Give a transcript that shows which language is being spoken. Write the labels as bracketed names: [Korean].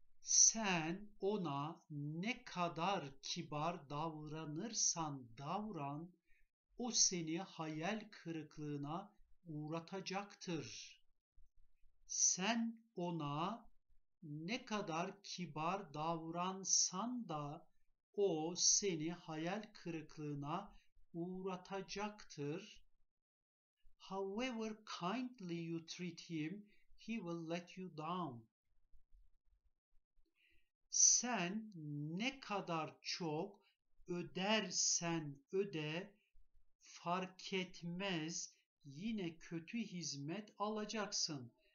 [Turkish] Sen ona ne kadar kibar davranırsan davran, o seni hayal kırıklığına uğratacaktır. Sen ona ne kadar kibar davransan da o seni hayal kırıklığına uğratacaktır. [English] However kindly you treat him, he will let you down. [Turkish] Sen ne kadar çok ödersen öde, fark etmez, yine kötü hizmet alacaksın.